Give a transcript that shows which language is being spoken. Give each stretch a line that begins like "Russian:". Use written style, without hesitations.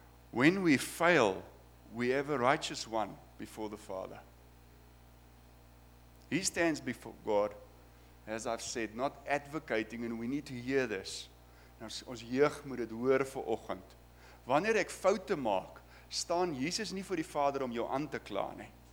English: When we fail, we have a righteous one before the Father. He stands before God, as I've said, not advocating, and we need to hear this.
Afrikaans: Ons jeug moet dit hoor vir oggend. Wanneer ek foute maak, staan Jesus nie voor die Vader om jou aan te kla nie.